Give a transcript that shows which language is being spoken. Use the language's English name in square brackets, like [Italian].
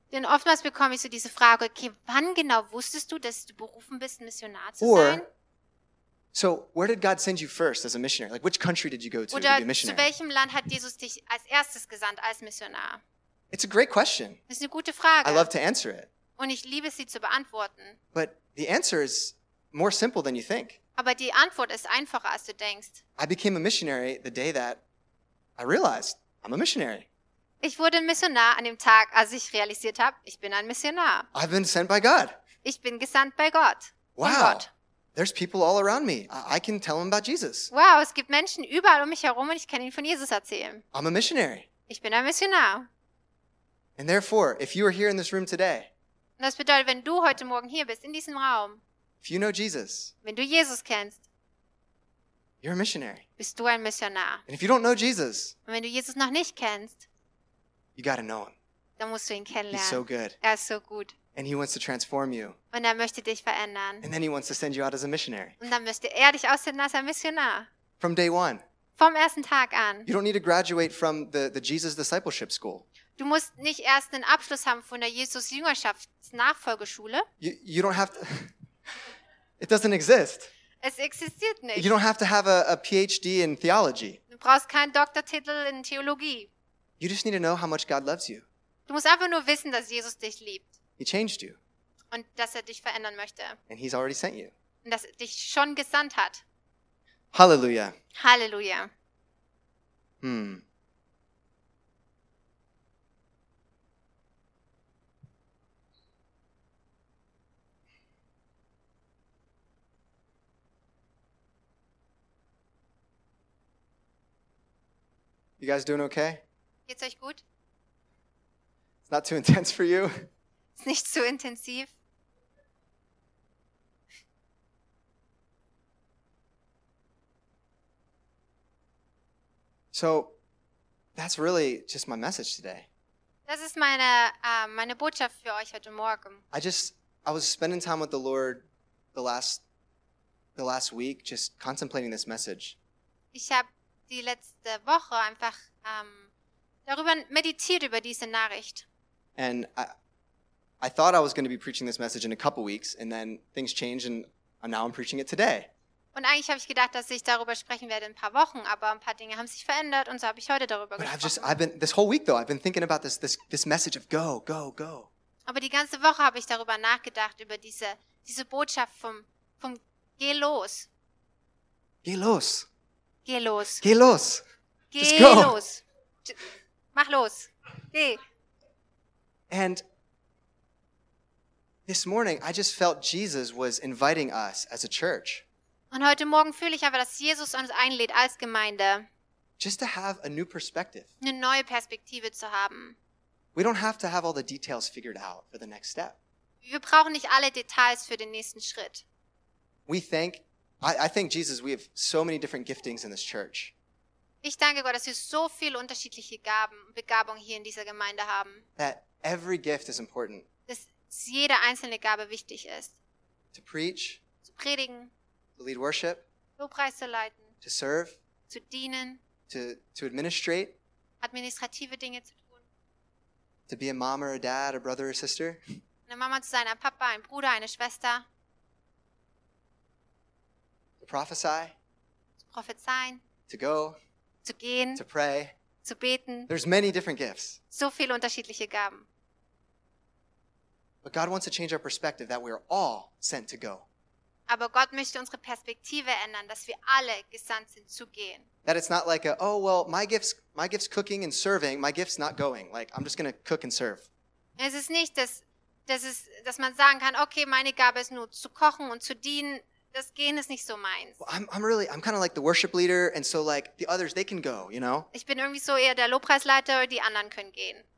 [German] Denn oftmals bekomme ich so diese Frage, okay, wann genau wusstest du, dass du berufen bist, Missionar zu sein? [English] So where did God send you first as a missionary? Like which country did you go to be a missionary? [German] Zu welchem Land hat Jesus dich als erstes gesandt als Missionar? [English] It's a great question. [German] Das ist eine gute Frage. [English] I love to answer it. [German] Und ich liebe sie zu beantworten. [English] But the answer is more simple than you think. [German] Aber die Antwort ist einfacher als du denkst. [English] I became a missionary the day that I realized I'm a missionary. [German] Ich wurde Missionar an dem Tag, als ich realisiert habe, ich bin ein Missionar. [English] I've been sent by God. [German] Ich bin gesandt bei Gott. Wow. Gott. [English] There's people all around me. I can tell them about Jesus. [German] Wow, es gibt Menschen überall um mich herum und ich kann ihnen von Jesus erzählen. [English] I'm a missionary. [German] Ich bin ein Missionar. [English] And therefore, if you are here in this room today, [German] das bedeutet, wenn du heute Morgen hier bist, in diesem Raum, [English] if you know Jesus, [German] wenn du Jesus kennst, [English] you're a missionary. [German] Bist du ein Missionar. [English] And if you don't know Jesus, [German] und wenn du Jesus noch nicht kennst, [English] you gotta know him. [German] Dann musst du ihn kennenlernen. [English] He's so good. [German] Er ist so gut. [English] And he wants to transform you. [German] Und er möchte dich verändern. [English] And then he wants to send you out as a missionary. [German] Und dann möchte er dich aussenden als ein Missionar. [English] From day one. [German] Vom ersten Tag an. [English] You don't need to graduate from the Jesus Discipleship School. [German] Du musst nicht erst einen Abschluss haben von der Jesus-Jüngerschafts-Nachfolgeschule. [English] You don't have to, it doesn't exist. [German] Es existiert nicht. [English] You don't have to have a PhD in theology. [German] Du brauchst keinen Doktortitel in Theologie. [English] You just need to know how much God loves you. [German] Du musst einfach nur wissen, dass Jesus dich liebt. [English] He changed you. [German] Und dass er dich verändern möchte. [English] And he's already sent you. [German] Und dass er dich schon gesandt hat. Hallelujah. Hallelujah. [English] You guys doing okay? [German] Geht's euch gut? [English] It's not too intense for you? [German] Ist nicht zu intensiv. [English] So, that's really just my message today. [German] Das ist meine Botschaft für euch heute Morgen. [English] I was spending time with the Lord the last week, just contemplating this message. [German] Ich habe die letzte Woche einfach darüber meditiert, über diese Nachricht. [English] And I thought I was going to be preaching this message in a couple weeks, and then things changed, and now I'm preaching it today. [German] Und eigentlich habe ich gedacht, dass ich darüber sprechen werde in ein paar Wochen, aber ein paar Dinge haben sich verändert und so habe ich heute darüber [English] But [German] gesprochen. [English] This whole week though, I've been thinking about this message of go, go, go. [German] Aber die ganze Woche habe ich darüber nachgedacht, über diese Botschaft vom geh los. Geh los. Geh los. Geh los. Geh los. Mach los. Geh. [English] And this morning I just felt Jesus was inviting us as a church. [German] Und heute Morgen fühle ich aber, dass Jesus uns einlädt als Gemeinde. [English] Just to have a new perspective. [German] Eine neue Perspektive zu haben. [English] We don't have to have all the details figured out for the next step. [German] Wir brauchen nicht alle Details für den nächsten Schritt. [English] I thank Jesus we have so many different giftings in this church. [German] Ich danke Gott, dass wir so viele unterschiedliche Gaben und Begabungen hier in dieser Gemeinde haben. [English] That every gift is important. [German] Dass jede einzelne Gabe wichtig ist. [English] To preach. [German] Zu predigen. [English] To lead worship. [German] Lobpreis zu leiten. [English] To serve. [German] Zu dienen. [English] To administrate. [German] Administrative Dinge zu tun. [English] To be a mom or a dad, a brother or sister. [German] Eine Mama zu sein, ein Papa, ein Bruder, eine Schwester. [English] To prophesy. [German] Zu prophezeien. [English] To go. [German] Zu gehen. [English] To pray. [German] Zu beten. [English] There's many different gifts. [German] So viele unterschiedliche Gaben. [English] But God wants to change our perspective that we are all sent to go. [German] Aber Gott möchte unsere Perspektive ändern, dass wir alle gesandt sind zu gehen. [English] That it's not like a, oh well, my gift's cooking and serving, my gift's not going. Like I'm just going to cook and serve. [German] Es ist nicht, dass man sagen kann, okay, meine Gabe ist nur zu kochen und zu dienen. Das Gehen ist nicht so meins. [English] Well, I'm kind of like the worship leader, and so like the others, they can go, you know. [German] Ich bin irgendwie so eher der Lobpreisleiter, die anderen können gehen.